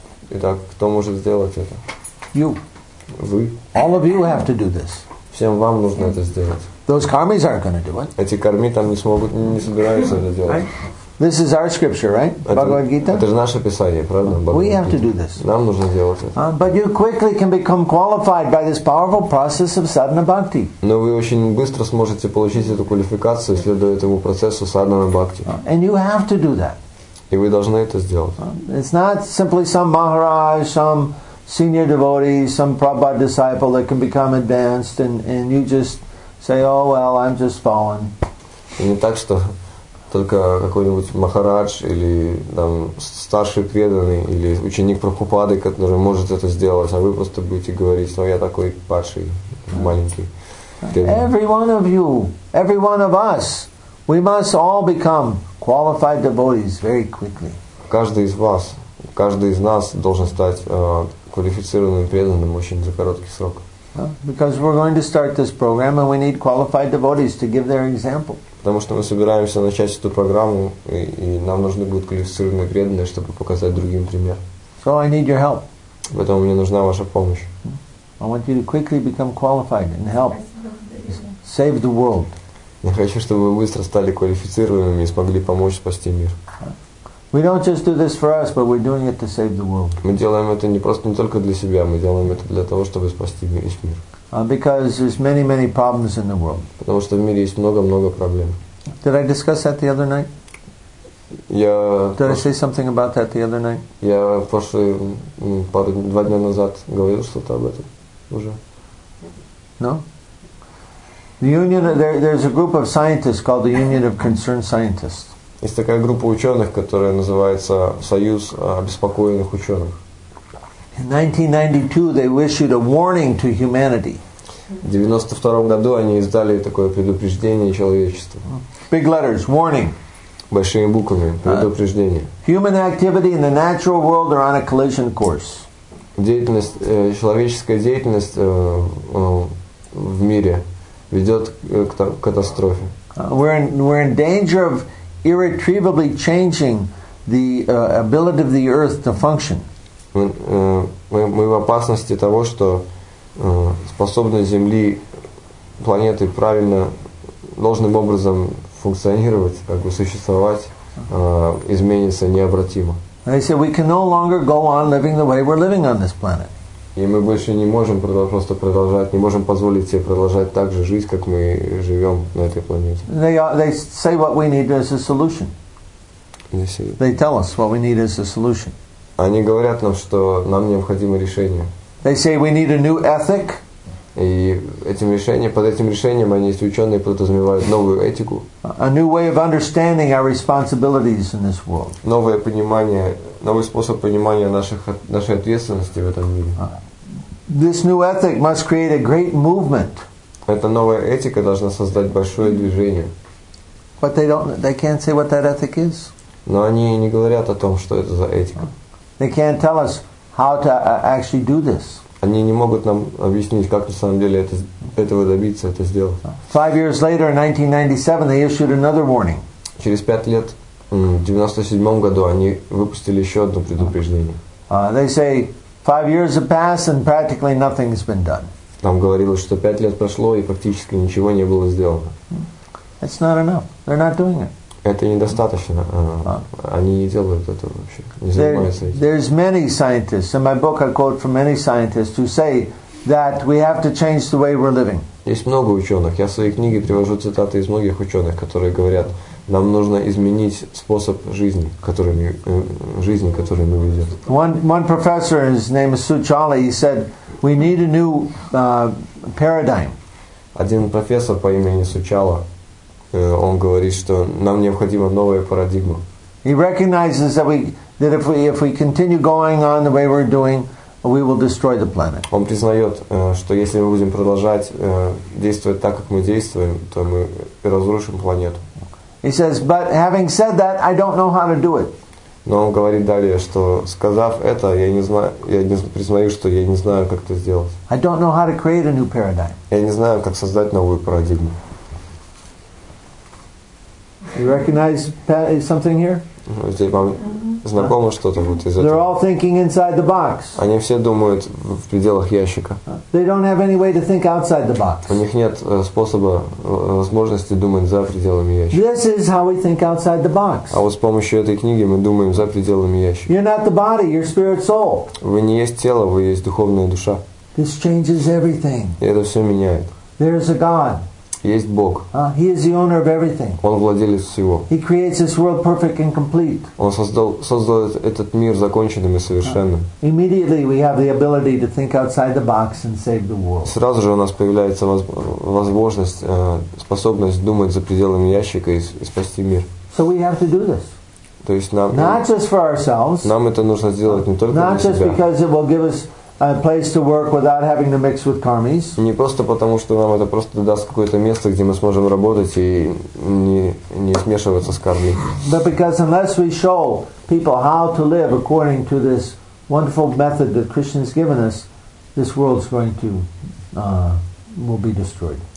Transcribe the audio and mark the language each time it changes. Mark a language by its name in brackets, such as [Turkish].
[Russian] Итак, кто может сделать это? [English] You. [Russian] Вы. [English] All of you have to do this. [Russian] Всем вам нужно это сделать. [English] Those karmis aren't going to do it. [Russian] Эти карми там не смогут, не собираются это делать. [English] Right? This is our scripture, right? Bhagavad Gita. [Russian] Это же наше писание, правда? [English] We have to do this. [Russian] Нам нужно делать это. [English] But you quickly can become qualified by this powerful process of sadhana bhakti. [Russian] Но вы очень быстро сможете получить эту квалификацию, следуя этому процессу sadhana bhakti. [English] And you have to do that. [Russian] И вы должны это сделать. [English] It's not simply some maharaj, some senior devotee, some Prabhupada disciple that can become advanced, and you just say, oh well, I'm just fallen. [Russian] И не так, что только какой-нибудь махарадж или там старший преданный или ученик Прабхупады, который может это сделать, а вы просто будете говорить, что я такой падший, маленький. [English] Every one of you, every one of us, we must all become qualified devotees very quickly. [Russian] Каждый из вас, каждый из нас должен стать квалифицированным преданным очень за короткий срок. [English] Because we're going to start this program and we need qualified devotees to give their example. [Russian] Потому что мы собираемся начать эту программу и нам нужны будут квалифицированные преданные, чтобы показать другим пример. [English] So I need your help. [Russian] Поэтому мне нужна ваша помощь. [English] I want you to quickly become qualified and help save the world. [Russian] Я хочу, чтобы вы быстро стали квалифицированными и смогли помочь спасти мир. [English] We don't just do this for us, but we're doing it to save the world. [Russian] Мы делаем это не просто не только для себя, мы делаем это для того, чтобы спасти весь мир. [English] Because there's many, many problems in the world. [Russian] Потому что в мире есть много-много проблем. [English] Did I discuss that the other night? Did I say something about that the other night? [Russian] Я два дня назад говорил что-то об этом уже. [English] No. The union there's a group of scientists called the Union of Concerned Scientists. [Russian] Есть такая группа ученых, которая называется Союз обеспокоенных ученых. [English] In 1992 they issued a warning to humanity. [Russian] В 92 году они издали такое предупреждение человечеству. [English] Big letters, warning. [Russian] Большими буквами предупреждение. [English] Human activity in the natural world are on a collision course. [Russian] Деятельность человеческая деятельность в мире ведет к катастрофе. [English] We're in danger of irretrievably changing the ability of the earth to function. [Russian] Мы в опасности того, что способность Земли, планеты правильно, должным образом функционировать, как бы существовать, изменится необратимо. [English] They say we can no longer go on living the way we're living on this planet. [Russian] И мы больше не можем просто продолжать, не можем позволить себе продолжать так же жить, как мы живем на этой планете. [English] They say what we need as a solution. They tell us what we need as a solution. [Russian] Они говорят нам, что нам необходимо решение. [English] They say we need a new ethic. [Russian] И этим решением, под этим решением они, если ученые, подразумевают новую этику. [English] A new way of understanding our responsibilities in this world. [Russian] Новое понимание, новый способ понимания наших, нашей ответственности в этом мире. [English] This new ethic must create a great movement. [Russian] Эта новая этика должна создать большое движение. [English] But they can't say what that ethic is. [Russian] Но они не говорят о том, что это за этика. [English] They can't tell us how to actually do this. [Russian] Они не могут нам объяснить, как на самом деле этого добиться, это сделать. [English] 5 years later, in 1997, they issued another warning. [Russian] Через 5 лет, в 97 году, они выпустили еще одно предупреждение. [English] They say 5 years have passed and practically nothing has been done. [Russian] Там говорилось, что 5 лет прошло и практически ничего не было сделано. [English] It's not enough. They're not doing it. [Russian] Это недостаточно. Они не делают этого вообще. Не занимаются этим. [English] There's many scientists. In my book I quote from many scientists who say that we have to change the way we're living. [Russian] Есть много ученых. Я в своей книге привожу цитаты из многих ученых, которые говорят, нам нужно изменить способ жизни, который мы ведем. [English] One professor, his name is Suchali, he said, we need a new paradigm. [Russian] Один профессор по имени Сучала, он говорит, что нам необходима новая парадигма. [English] He recognizes that if we continue going on the way we're doing, we will destroy the planet. [Russian] Он признает, что если мы будем продолжать действовать так, как мы действуем, то мы разрушим планету. [English] He says, but having said that, I don't know how to do it. [Russian] Но он говорит далее, что сказав это, я признаю, что я не знаю, как это сделать. [English] I don't know how to create a new paradigm. [Russian] Я не знаю, как создать новую парадигму. [English] You recognize something here? [Russian] Здесь вам знакомо что-то вот из этого? [English] They're all thinking inside the box. [Russian] Они все думают в пределах ящика. [English] They don't have any way to think outside the box. [Russian] У них нет способа, возможности думать за пределами ящика. [English] This is how we think outside the box. [Russian] А вот с помощью этой книги мы думаем за пределами ящика. [English] You're not the body, you're spirit soul. [Russian] Вы не есть тело, вы есть духовная душа. [English] This changes everything. [Russian] И это все меняет. [English] There is a God. [Russian] Есть Бог. [English] He is the owner of everything. [Russian] Он владелец всего. [English] He creates this world perfect and complete. [Russian] Он создал этот мир законченным и совершенным. [English] Immediately we have the ability to think outside the box and save the world. [Russian] Сразу же у нас появляется возможность, способность думать за пределами ящика и спасти мир. [English] So we have to do this. [Russian] То есть нам, [English] not just for ourselves. [Russian] Нам это нужно сделать не только для себя. [English] Not just because it will give us a place to work without having to mix with karmis. [Russian] Не просто потому, что нам это просто даст какое-то место, где мы сможем работать и не смешиваться с кармой. [English] But because unless we show people how to live according to this wonderful method that Krishna has given us, this world is going to will be destroyed.